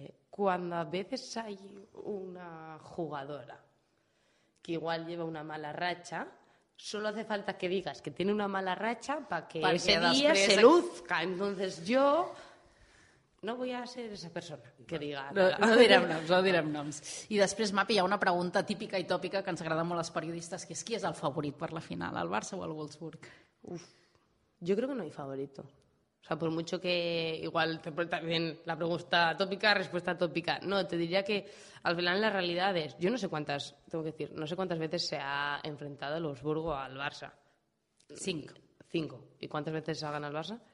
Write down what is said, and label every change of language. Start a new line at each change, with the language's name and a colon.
Spanish: Cuando a veces hay una jugadora que igual lleva una mala racha, solo hace falta que digas que tiene una mala racha para que ese día se luzca. Entonces yo no voy a ser esa persona que diga nada.
Catalan: No direm noms, no direm noms. I després, Mapi, hi ha una pregunta típica i tòpica que ens agrada molt als periodistes, que és qui és el favorit per la final, el Barça o el Wolfsburg?
Spanish: Uf, yo creo que no hay favorito. O sea, por mucho que igual te pregunta bien la pregunta tópica, respuesta tópica. No, te diría que al final la realidad es... Yo no sé cuántas, tengo que decir, no sé cuántas veces se ha enfrentado el Wolfsburgo al Barça. Cinco. ¿Y cuántas veces se ha ganado el Barça?